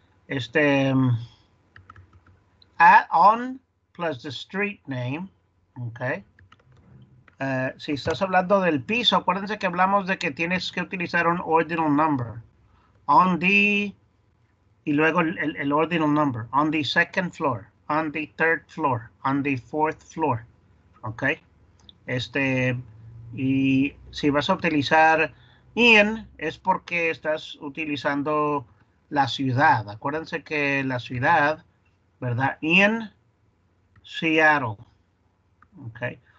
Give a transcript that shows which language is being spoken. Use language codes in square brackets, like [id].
[en] Este, at on plus the street name, ok. [es] Si estás hablando del piso, acuérdense que hablamos de que tienes que utilizar un ordinal number. [en] On the, [es] y luego el ordinal number. [en] On the second floor, on the third floor, on the fourth floor. Ok. [es] Este, y si vas a utilizar in, es porque estás utilizando la ciudad. Acuérdense que la ciudad, ¿verdad? [en] In Seattle. [es] Ok.